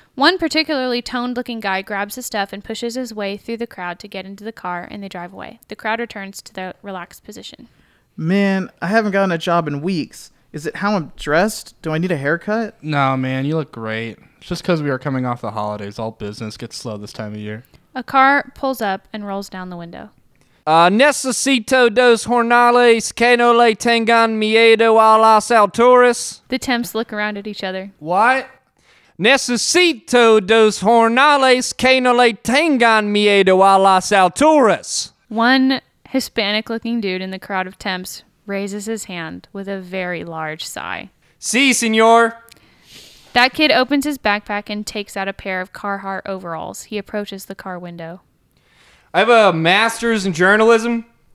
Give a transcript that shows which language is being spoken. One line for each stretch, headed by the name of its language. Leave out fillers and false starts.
English: One particularly toned-looking guy grabs his stuff and pushes his way through the crowd to get into the car, and they drive away. The crowd returns to the relaxed position. Man, I haven't gotten a job in weeks. Is it how I'm dressed? Do I need a haircut? No, man, you look great. It's just because we are coming off the holidays. All business gets slow this time of year. A car pulls up and rolls down the window.
Spanish: Necesito dos jornales que no le tengan miedo a las alturas.
English: The temps look around at each other. What?
Spanish: Necesito dos jornales que no le tengan miedo a las alturas.
English: One Hispanic-looking dude in the crowd of temps raises his hand with a very large sigh.
Spanish: Si, señor.
English: That kid opens his backpack and takes out a pair of Carhartt overalls. He approaches the car window. I have a master's in journalism.